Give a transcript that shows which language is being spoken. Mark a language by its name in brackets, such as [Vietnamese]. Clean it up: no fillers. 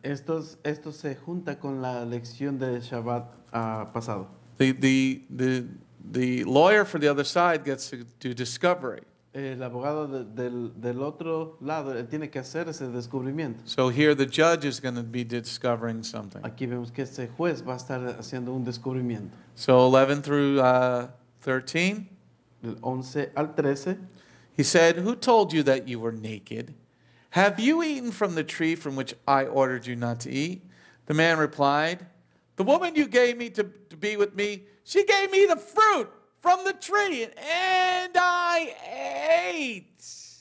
[Spanish] Esto se junta con la lección de Shabbat pasado. [English] The lawyer for the other side gets to do discovery. [Spanish] El abogado del otro lado tiene que hacer ese descubrimiento. [English] So here the judge is going to be discovering something. [Spanish] Aquí vemos que este juez va a estar haciendo un descubrimiento. [English] So 11 through 13. [Spanish] Del 11 al 13. [English] He said, "Who told you that you were naked? Have you eaten from the tree from which I ordered you not to eat?" The man replied, "The woman you gave me to be with me, she gave me the fruit from the tree, and I ate."